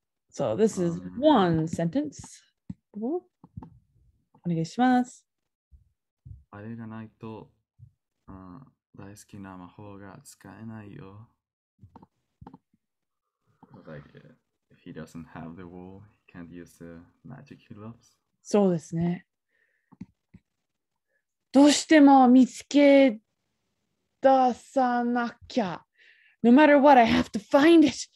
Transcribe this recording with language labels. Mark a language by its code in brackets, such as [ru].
[en] So this is one sentence. [ja] お願いします。あれがないと、大好きな魔法が使えないよ。 [en] Like, if he doesn't have the wall, he can't use the magic he loves. [ja] そうですね。どうしても見つけ出さなきゃ。 [en] No matter what, I have to find it.